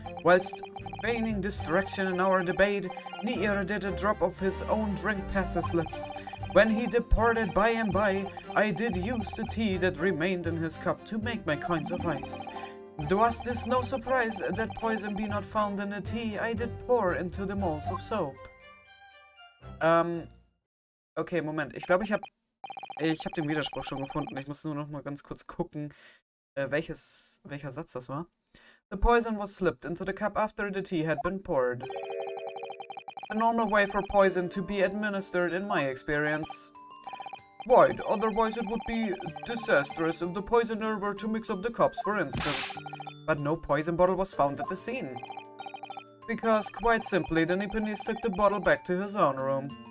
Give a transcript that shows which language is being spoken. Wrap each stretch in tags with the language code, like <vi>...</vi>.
<en>Whilst feigning distraction in our debate, neither did a drop of his own drink pass his lips. When he departed by and by, I did use the tea that remained in his cup to make my coins of ice. Was this no surprise that poison be not found in the tea I did pour into the moles of soap?</en> <de>Okay, Moment. Ich glaube, ich hab den Widerspruch schon gefunden. Ich muss nur noch mal ganz kurz gucken, welcher Satz das war.</de> <en>The poison was slipped into the cup after the tea had been poured. A normal way for poison to be administered in my experience. Right, otherwise it would be disastrous if the poisoner were to mix up the cups, for instance. But no poison bottle was found at the scene. Because, quite simply, the Nipponese took the bottle back to his own room.</en>